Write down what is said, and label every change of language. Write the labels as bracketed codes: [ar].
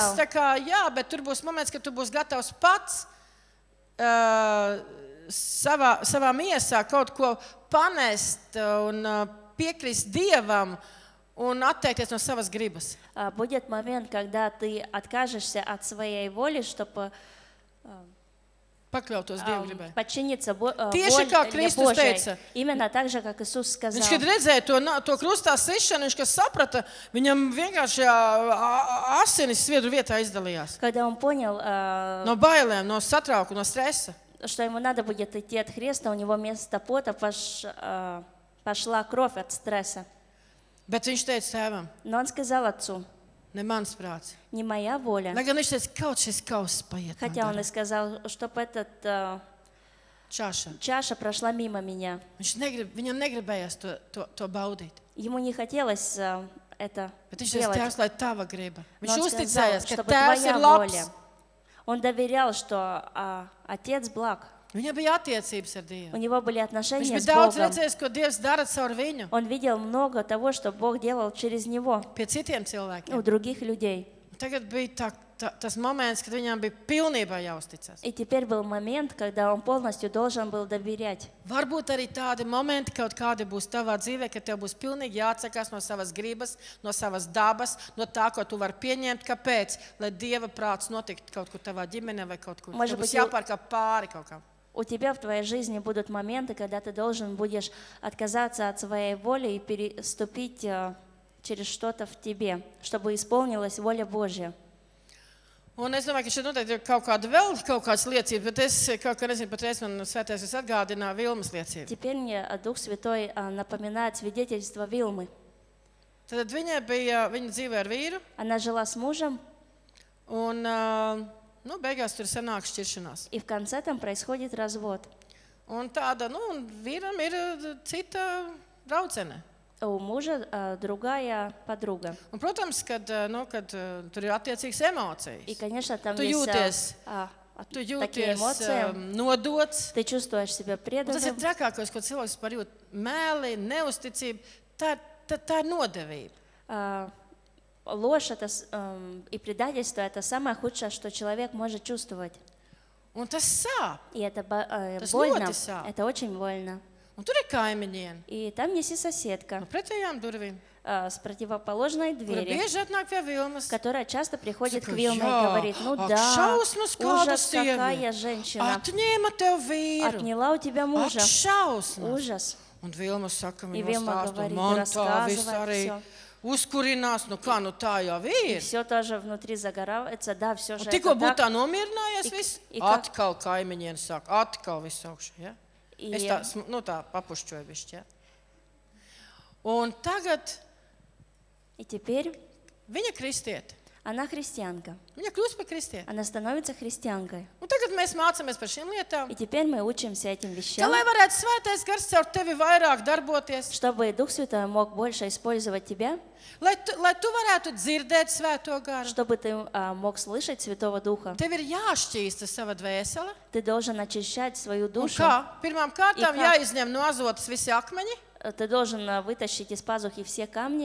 [lv] Bez, tā, ka, jā, bet tur būs moments, kad tu būs gatavs pats savā miesā kaut ko panest un piekrist Dievam. Un atteikties no savas gribas. [ru] Будет момент, когда ты откажешься от своей воли, чтобы [lv] pakļautos Dieva gribai. [ru] Подчиниться [lv] Tieši kā Kristus teica. [ru] Именно так же, как Иисус сказал. [lv] Viņš, kad redzēja to krustā sišanu, viņš, kas saprata, viņam vienkārši asinis sviedru vietā izdalījās. [ru] Когда он понял [lv] no bailēm, no satrauku, no stresa. [ru] Что ему надо будет идти от Христа, у него вместо пота пошла кровь от стресса. [lv] Bet viņš teica tēvam. [ru] Но он сказал отцу. [lv] Ne mans prāts. [ru] Не моя воля. [lv] Lai gan viņš teica, kaut šis kauss paiet. [ru] Хотя он и сказал, чтоб этот чаша прошла мимо меня. [lv] Viņam negribējās to baudīt. [ru] Ему не хотелось это [lv] Bet viņš teica, tēvs, lai tava griba. Viņš uzticējās, ka tēvs ir labs. [ru] Он доверял, что отец благ. [lv] Viņam bija attiecības ar Dievu. [ru] У него были отношения с Богом. [lv] Viņš bija daudz redzējis, ko Dievs dara caur viņu. [ru] Он видел много того, что Бог делал через него. [lv] Pie citiem cilvēkiem. [ru] У других людей. [lv] Tagad bija tas moments, kad viņam bija pilnībā jāuzticas. [ru] И теперь был момент, когда он полностью должен был доверять. [lv] Varbūt arī tādi momenti kaut kādi būs tavā dzīvē, kad tev būs pilnīgi jāatsakās no savas gribas, no savas dabas, no tā, ko tu var pieņemt, kāpēc, lai Dieva prāts notikt kaut kur tavā ģimenē vai kaut kur. [ru] Может [lv] būs jāpārkāp pāri kaut kam. [ru] У тебя в твоей жизни будут моменты, когда ты должен будешь отказаться от своей воли и переступить через что-то в тебе, чтобы исполнилась воля Божья. [lv] Un es domāju, ka šeit noteikti ir kaut kāda vēl kaut kādas liecības, bet es kaut kā nezinu, patreiz man svētais es atgādināju Vilmas liecību. [ru] Теперь мне Дух Святой напоминает свидетельство Вилмы. [lv] Tad viņa dzīvoja ar vīru. [ru] Она жила с мужем. [lv] Un Ну, beigās tur sanāk šķiršanās. [ru] И в конце там происходит развод. [lv] Un tāda, ну, vīram ir cita draudzene. [ru] У мужа другая подруга. [lv] Un, protams, kad, nu, kad tur ir attiecīgas emocijas. [ru] И, конечно, там [lv] tu jūties, tu jūties nodots. [ru] Ты чувствуешь себя преданным. [lv] Tas ir trakākais, ko cilvēks var jūt mēli, neusticība. Tā ir nodevība. [ru] Ложь это и предательство это самое худшее, что человек может чувствовать. [lv] Un tas sāp. [ru] И это больно. Это очень больно. [lv] Un tur ir kaimiņiena. [ru] И там есть соседка. [lv] Ну, pretējām durvīm. [ru] С противоположной двери. [lv] Kura bieži atnāk pie Vilmas. [ru] Которая часто приходит к Вилме и говорит, ну да, [lv] šausmas, [ru] ужас, какая женщина. Отнима [lv] tev vīru. [ru] Отняла у тебя мужа. [lv] Ak, šausmas. [ru] Ужас. [lv] Un Vilma saka, viņa stāstu, man tā viss arī uzkurinās, nu kā, nu tā jau ir. [ru] И все тоже внутри загорается, да, все же. [lv] Un tikko būtā nomierinājies viss, atkal kaimiņiena saka, atkal viss augšu, ja? Es tā, nu tā, papušķoju višķi, ja? Un tagad [ru] И теперь [lv] viņa kristiete. [ru] Она христианка. [lv] Viņa kļūst par kristieti. [ru] Она становится христианкой. [lv] Un tagad mēs mācāmies par šīm lietām. [ru] И теперь мы учимся этим вещам. [lv] Tā, lai varētu svētais gars caur tevi vairāk darboties. [ru] Чтобы Дух Святой мог больше использовать тебя. [lv] Lai tu varētu dzirdēt svēto garu. [ru] Чтобы ты мог слышать Святого Духа. [lv] Tev ir jāšķīsta sava dvēsele. [ru] Ты должен очищать свою душу. [lv] Un kā? Pirmām kārtām jāizņem no azotas visi akmeņi. [ru] Ты должен вытащить из пазухи все камни.